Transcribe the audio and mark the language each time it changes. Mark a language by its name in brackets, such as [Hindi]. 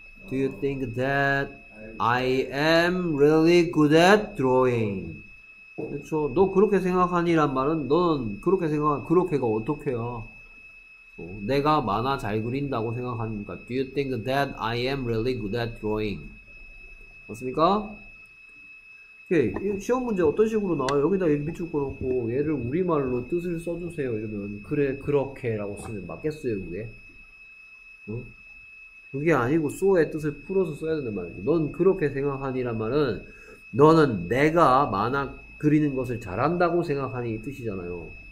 [English] Do you think that I am really good at drawing? [Korean] 그렇죠. 너 그렇게 생각하니란 말은 너는 그렇게 생각한 그렇게가 어떻게야? 내가 만화 잘 그린다고 생각하니까. [English] Do you think that I am really good at drawing? [Korean] 맞습니까? 오케이. 시험 문제 어떤 식으로 나와요? 여기다 밑줄 꺼놓고 얘를 우리말로 뜻을 써주세요. 이러면 그래 그렇게라고 쓰면 맞겠어요 그게? 응? 그게 아니고 소의 뜻을 풀어서 써야 되는 말이지. 넌 그렇게 생각하니란 말은 너는 내가 만화 그리는 것을 잘한다고 생각하니 이 뜻이잖아요.